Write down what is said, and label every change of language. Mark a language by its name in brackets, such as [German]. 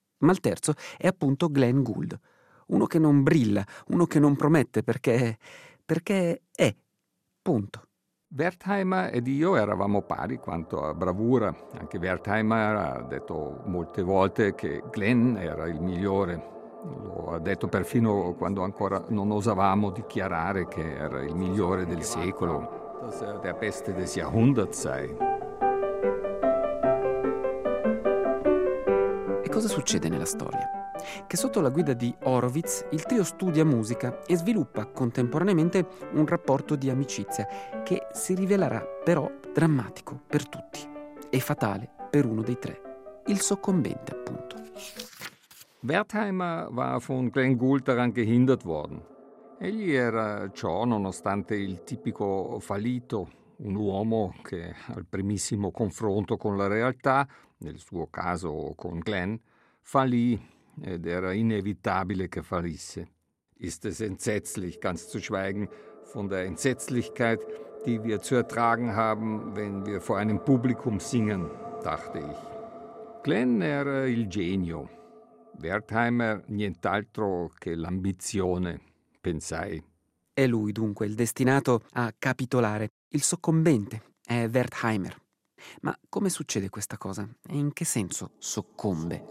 [Italian] Ma il terzo è appunto Glenn Gould, uno che non brilla, uno che non promette perché è, punto. Wertheimer ed io eravamo pari quanto a bravura. Anche Wertheimer ha detto molte volte che Glenn era il migliore. Lo ha detto perfino quando ancora non osavamo dichiarare che era il migliore del secolo. [German] Das ist der beste des Jahrhunderts. [Italian] E cosa succede nella storia? Che sotto la guida di Horowitz il trio studia musica e sviluppa contemporaneamente un rapporto di amicizia che si rivelerà però drammatico per tutti e fatale per uno dei tre, il soccombente appunto. [German] Wertheimer war von Glenn Gould daran gehindert worden. [Italian] Egli era ciò nonostante il tipico fallito, un uomo che al primissimo confronto con la realtà, nel suo caso con Glenn, fallì. Ed era inevitabile che fallisse. [German] Ist es entsetzlich, ganz zu schweigen von der Entsetzlichkeit, die wir zu ertragen haben, wenn wir vor einem Publikum singen, dachte ich. [Italian] Glenn era il genio. Wertheimer nient'altro che l'ambizione, pensai. È lui dunque il destinato a capitolare. Il soccombente è Wertheimer. Ma come succede questa cosa? E in che senso soccombe?